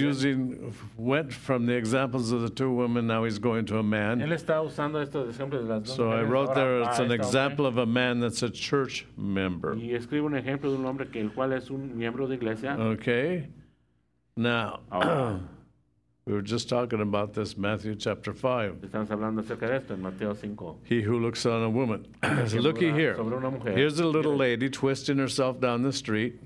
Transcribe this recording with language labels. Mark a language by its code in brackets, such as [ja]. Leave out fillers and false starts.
[en] Using, went from the examples of the two women, now he's going to a man. [es] Él está usando estos ejemplos de las dos mujeres. [en] So I wrote there, it's an example [es] hombre. [en] Of a man that's a church member. [es] Y escribo un ejemplo de un hombre que el cual es un miembro de iglesia. [en] Okay, now... We were just talking about this, Matthew chapter 5. [es] Estamos hablando acerca de esto en Mateo 5. [en] He who looks on a woman. Looky here. [es] Sobre una mujer. [en] Here's a little lady twisting herself down the street.